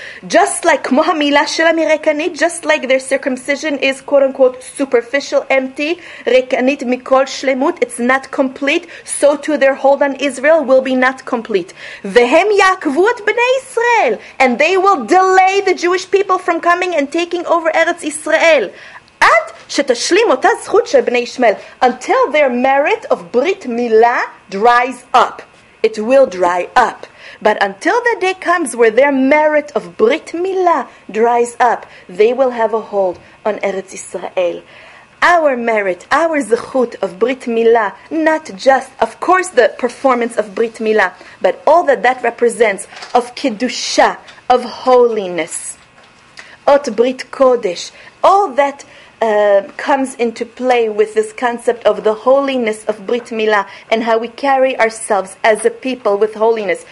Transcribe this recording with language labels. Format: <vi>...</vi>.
<en>Just like</en> <he>כמו המילה של המרקנית,</he> <en>just like their circumcision is quote-unquote superficial, empty,</en> <he>רקנית מכל שלמות,</he> <en>it's not complete, so too their hold on Israel will be not complete.</en> <he>והם יעקבו את בני ישראל,</he> <en>and they will delay the Jewish people from coming and taking over Eretz Israel.</en> <he>עד שתשלים אותה זכות של בני ישמעאל,</he> <en>until their merit of ברית מילה dries up. It will dry up. But until the day comes where their merit of Brit Milah dries up, they will have a hold on Eretz Israel. Our merit, our zechut of Brit Milah, not just, of course, the performance of Brit Milah, but all that that represents of Kiddusha, of holiness, Ot Brit Kodesh, all that comes into play with this concept of the holiness of Brit Milah and how we carry ourselves as a people with holiness.</en>